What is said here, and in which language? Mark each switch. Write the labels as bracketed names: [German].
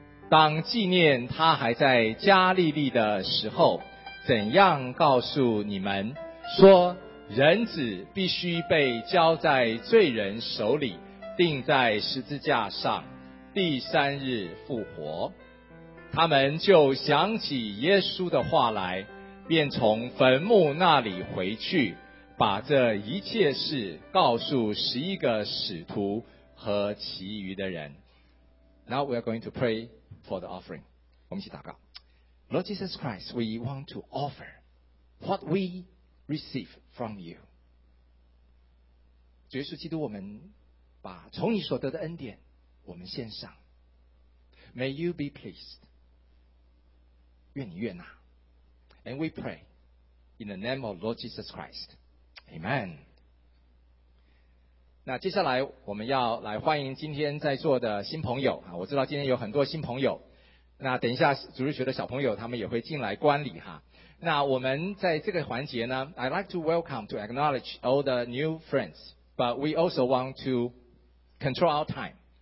[Chinese] 当纪念他还在加利利的时候，怎样告诉你们说，人子必须被交在罪人手里，钉在十字架上，第三日复活。他们就想起耶稣的话来，便从坟墓那里回去，把这一切事告诉十一个使徒和其余的人。 [English] Now we are going to pray for the offering. [Chinese] 我们一起祷告。 [English] Lord Jesus Christ, we want to offer what we receive from you. [Chinese] 主耶稣基督，我们把从你所得的恩典我们献上。 [English] May you be pleased. [Chinese] 愿你悦纳。 [English] And we pray in the name of Lord Jesus Christ. Amen. [Chinese] 那接下来我们要来欢迎今天在座的新朋友，我知道今天有很多新朋友，那等一下主日学的小朋友他们也会进来观礼哈。那我们在这个环节呢， [English] I'd like to welcome to acknowledge all the new friends, but we also want to control our time.